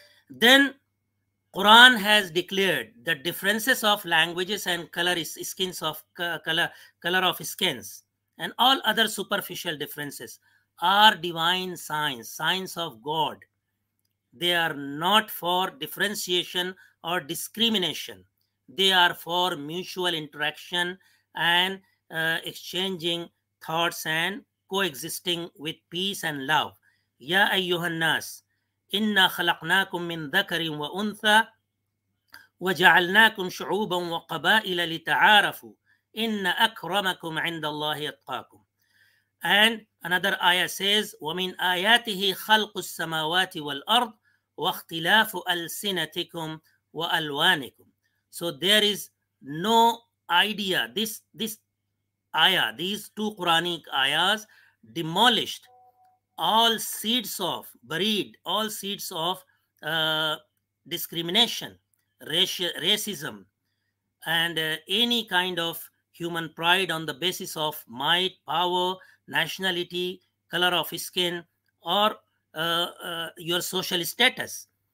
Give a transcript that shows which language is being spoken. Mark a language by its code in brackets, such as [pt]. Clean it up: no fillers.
[en] Then Quran has declared the differences of languages and color skins of color of skins and all other superficial differences are divine signs, signs of God. They are not for differentiation or discrimination. They are for mutual interaction and exchanging thoughts and coexisting with peace and love. [ar] Ya ayyuhan nas, إِنَّا خَلَقْنَاكُمْ مِنْ ذَكَرٍ وَأُنْثَى وَجَعَلْنَاكُمْ شُعُوبًا وَقَبَائِلَ لِتَعَارَفُوا إِنَّ أَكْرَمَكُمْ عِنْدَ اللَّهِ أَتْقَاكُمْ. [en] And another ayah says, [ar] وَمِنْ آيَاتِهِ خَلْقُ السَّمَاوَاتِ وَالْأَرْضِ وَاخْتِلَافُ أَلْسِنَتِكُمْ وَأَلْوَانِكُمْ. [en] So there is no idea, this ayah, these two Quranic ayahs demolished all seeds of, buried all seeds of discrimination, racism, and any kind of human pride on the basis of might, power, nationality, color of skin, or your social status.